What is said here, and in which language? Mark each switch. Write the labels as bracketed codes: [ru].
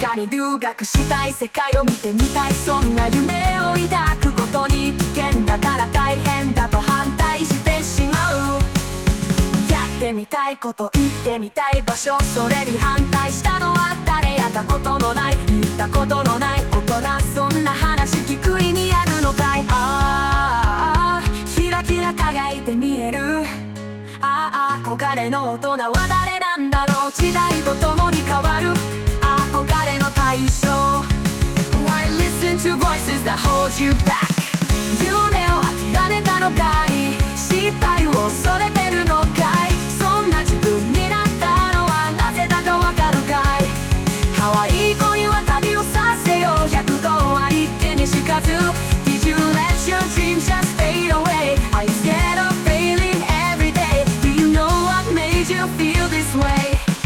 [ja] 留学したい、世界を見てみたい、そんな夢を抱くことに危険だから、大変だと反対してしまう、やってみたいこと言ってみたい場所、それに反対したのは誰、やったことのない言ったことのないことな、そんな話聞く意味あるのかい。ああキラキラ輝いて見える、ああ憧れの大人は誰なんだろう、時代とともに変わる憧れの対象。 [en] Why listen to voices that hold you back? [ja] 夢を諦めたのかい、失敗を恐れてるのかい、そんな自分になったのはなぜだかわかるかい。可愛い子には旅をさせよう、100とは一見にしかず、 Did you let your dream just fade away? [en] Are you scared of failing every day? Do you know what made you feel this way?